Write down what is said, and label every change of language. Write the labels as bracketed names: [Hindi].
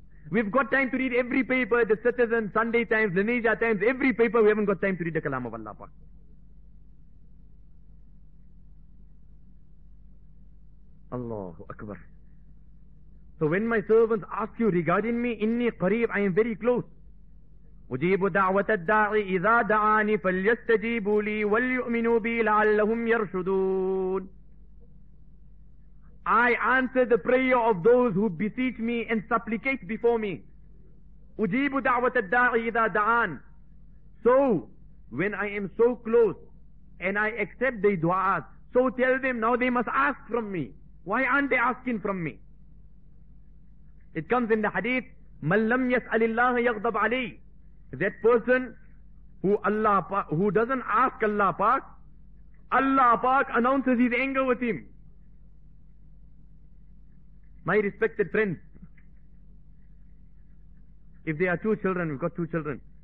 [English] We've got time to read every paper, the Citizen, Sunday Times, Lineja Times, every paper. We haven't got time to read the Kalam of Allah Pak. Allahu Akbar. So when my servants ask you regarding me, [Arabic] inni qareeb, [English] I am very close. [Arabic] أجيب دعوة الداعي إذا دعاني فليستجيبوا لي وليؤمنوا بي لعلهم يرشدون. [English] I answer the prayer of those who beseech me and supplicate before me. [Arabic] أجيب دعوة الداعي إذا دعان. [English] So, when I am so close and I accept the du'as, so tell them now they must ask from me. Why aren't they asking from me? It comes in the hadith, [Arabic] من لم يسأل الله يغضب عليه. [English] That person who doesn't ask Allah Pak, Allah Pak announces his anger with him. My respected friends, if there are two children, we've got two children.